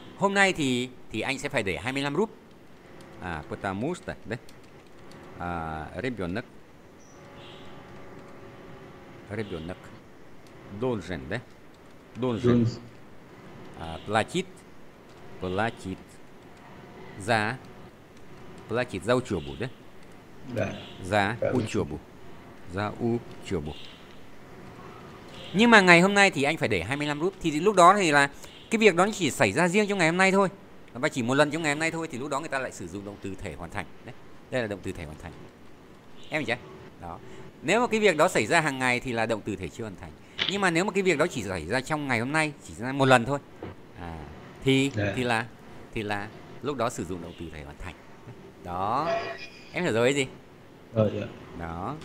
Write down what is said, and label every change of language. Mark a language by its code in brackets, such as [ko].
[vi] Hôm nay thì anh sẽ phải để 25 rúp. [ru] Потому что, đấy. Ребёнок ребенок должен, да? Должен платить за учебу, да? Да. За учебу. [vi] Nhưng mà ngày hôm nay thì anh phải để 25 rúp. Thì lúc đó thì là cái việc đó chỉ xảy ra riêng trong ngày hôm nay thôi. Và chỉ một lần trong ngày hôm nay thôi thì lúc đó người ta lại sử dụng động từ thể hoàn thành. Đấy. Đây là động từ thể hoàn thành. Em hiểu chưa? Đó. Nếu mà cái việc đó xảy ra hàng ngày thì là động từ thể chưa hoàn thành. Nhưng mà nếu mà cái việc đó chỉ xảy ra trong ngày hôm nay, chỉ ra một lần thôi, thì là lúc đó sử dụng động từ thể hoàn thành. Đó. Em hiểu rồi cái gì? Đó.